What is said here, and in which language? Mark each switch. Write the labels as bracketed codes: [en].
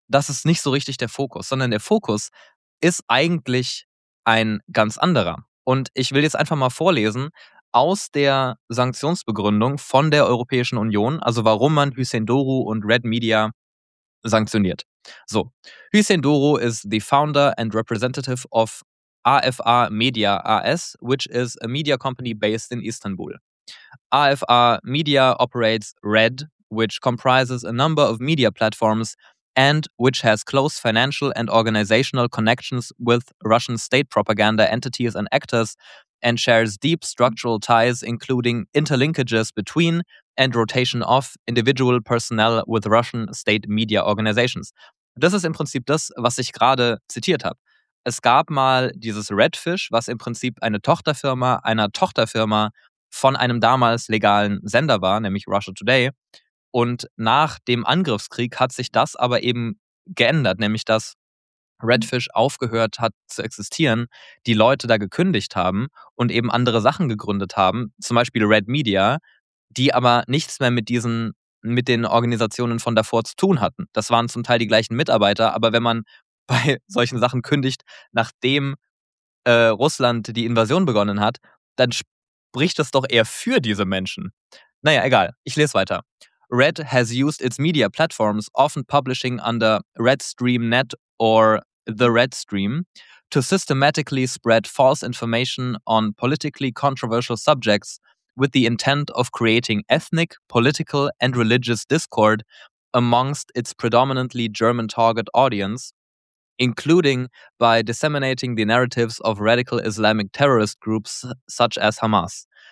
[de] Das ist nicht so richtig der Fokus, sondern der Fokus ist eigentlich ein ganz anderer. Und ich will jetzt einfach mal vorlesen aus der Sanktionsbegründung von der Europäischen Union, also warum man Hüseyin Doğru und Red Media sanktioniert. [en] So, Hüseyin Doğru is the founder and representative of AFA Media AS, which is a media company based in Istanbul. AFA Media operates Red, which comprises a number of media platforms and which has close financial and organizational connections with Russian state propaganda entities and actors and shares deep structural ties, including interlinkages between and rotation of individual personnel with Russian state media organizations. [de] Das ist im Prinzip das, was ich gerade zitiert habe. Es gab mal dieses Redfish, was im Prinzip eine Tochterfirma einer Tochterfirma von einem damals legalen Sender war, nämlich Russia Today. Und nach dem Angriffskrieg hat sich das aber eben geändert, nämlich dass Redfish aufgehört hat zu existieren, die Leute da gekündigt haben und eben andere Sachen gegründet haben, zum Beispiel Red Media, die aber nichts mehr mit diesen, mit den Organisationen von davor zu tun hatten. Das waren zum Teil die gleichen Mitarbeiter, aber wenn man bei solchen Sachen kündigt, nachdem Russland die Invasion begonnen hat, dann spricht das doch eher für diese Menschen. Naja, egal, ich lese weiter. [en] Red has used its media platforms, often publishing under RedStreamNet or the RedStream, to systematically spread false information on politically controversial subjects with the intent of creating ethnic, political, and religious discord amongst its predominantly German target audience, including by disseminating the narratives of radical Islamic terrorist groups such as Hamas.